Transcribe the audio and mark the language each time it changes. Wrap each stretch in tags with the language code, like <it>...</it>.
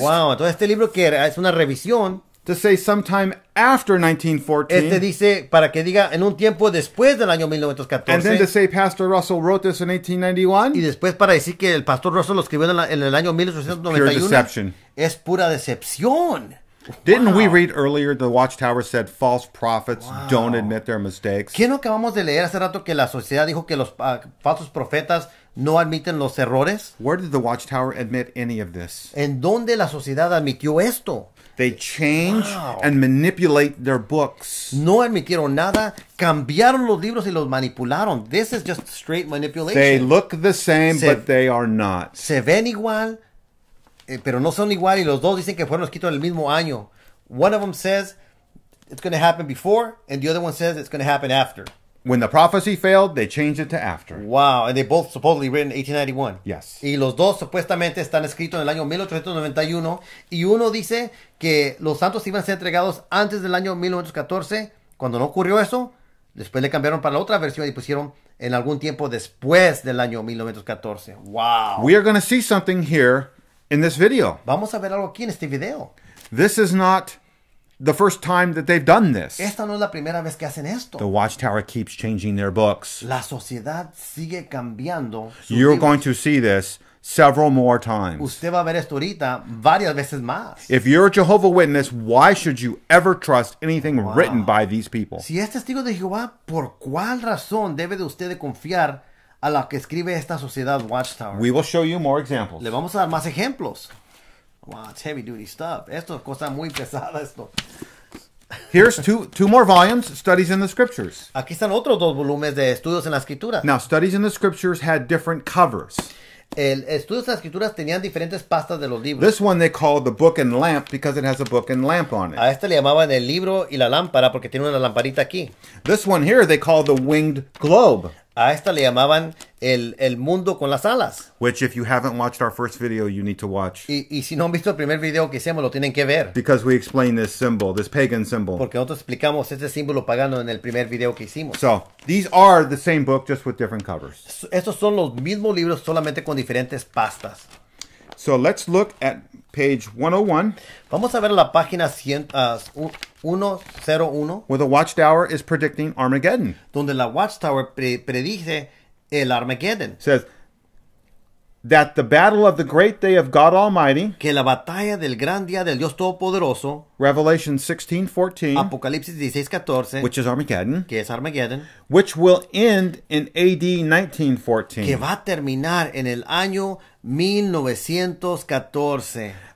<es>Wow, entonces este libro que es una revisión.</es> <en>To say sometime after 1914.</en> <es>Este dice para que diga en un tiempo después del año 1914.</es> <en>And then to say Pastor Russell wrote this in 1891.</en> <es>Y después para decir que el Pastor Russell lo escribió en el año 1891.</es> <en>Pure deception.</en> <es>Es pura decepción.</es> <en>Didn't we read earlier the Watchtower said false prophets don't admit their mistakes?</en> <es>¿Qué no acabamos de leer hace rato que la sociedad dijo que los falsos profetas no admiten los errores?</es> <en>Where did the Watchtower admit any of this?</en> <es>¿En dónde la sociedad admitió esto?</es> <en>They change and manipulate their books.</en> <es>No admitieron nada, cambiaron los libros y los manipularon.</es> <en>This is just straight manipulation. They look the same, but they are not.</en> <es>Se ven igual, pero no son igual. Y los dos dicen que fueron escritos en el mismo año.</es> <en>One of them says it's going to happen before, and the other one says it's going to happen after. When the prophecy failed, they changed it to after. Wow, and they both supposedly written 1891. Yes.</en> <es>Y los dos supuestamente están escritos en el año 1891. Y uno dice que los santos iban a ser entregados antes del año 1914. Cuando no ocurrió eso, después le cambiaron para la otra versión y pusieron en algún tiempo después del año 1914.</es> <en>Wow. We are going to see something here in this video.</en> <es>Vamos a ver algo aquí en este video.</es> <en>This is not the first time that they've done this.</en> <es>Esta no es la primera vez que hacen esto.</es> <en>The Watchtower keeps changing their books.</en> <es>La sociedad sigue cambiando sus libros.</es> <en>You're going to see this several more times.</en> <es>Usted va a ver esto ahorita varias veces más.</es> <en>If you're a Jehovah's Witness, why should you ever trust anything written by these people?</en> <es>Si es testigo de Jehová, ¿por cuál razón debe de usted de confiar a la que escribe esta sociedad Watchtower?</es> <en>We will show you more examples.</en> <es>Le vamos a dar más ejemplos.</es> <en>Wow, it's heavy duty stuff.</en> <es>Esto es cosa muy pesada esto.</es> <en>Here's two more volumes, Studies in the Scriptures.</en> <es>Aquí están otros dos volúmenes de Estudios en la Escritura.</es> <en>Now, Studies in the Scriptures had different covers.</en> <es>El Estudios en la Escritura tenían diferentes pastas de los libros.</es> <en>This one they called the book and lamp because it has a book and lamp on it.</en> <es>A este le llamaban el libro y la lámpara porque tiene una lamparita aquí.</es> <en>This one here they called the winged globe.</en> <es>A esta le llamaban el mundo con las alas.</es> <en>Which, if you haven't watched our first video, you need to watch.</en> <es>Y si no han visto el primer video que hicimos, lo tienen que ver.</es> <en>Because we explain this symbol, this pagan symbol.</en> <es>Porque nosotros explicamos este símbolo pagano en el primer video que hicimos.</es> <en>So, these are the same book, just with different covers.</en> <es>Estos son los mismos libros, solamente con diferentes pastas.</es> <en>So, let's look at page 101.</en> <es>Vamos a ver la página 101.</es> <en>Where the Watchtower is predicting Armageddon.</en> <es>Donde la Watchtower predice el Armageddon.</es> <en>Says that the battle of the great day of God Almighty.</en> <es>Que la batalla del gran día del Dios Todopoderoso.</es> <en>Revelation 16:14.</en> <es>Apocalipsis 16:14.</es> <en>Which is Armageddon.</en> <es>Que es Armageddon.</es> <en>Which will end in AD 1914.</en> <es>Que va a terminar en el año 1914.</es>